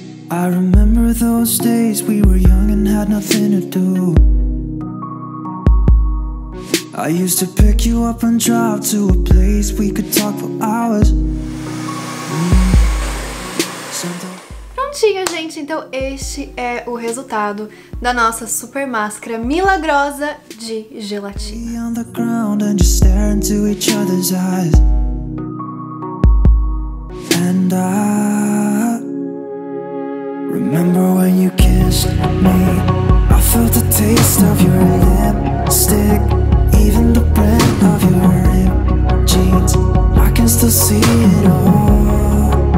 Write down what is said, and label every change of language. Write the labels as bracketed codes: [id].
[en] I remember those days we were young and had nothing to do. I used to pick you up and drive to a place we could talk for hours. [pt] Prontinho, gente. Então este é o resultado da nossa super máscara milagrosa de gelatina. [en] On the ground and just stare into each other's eyes. And I remember when you kissed me. I felt the taste of your lipstick. Even the brand of your ripped jeans, I can still see it all.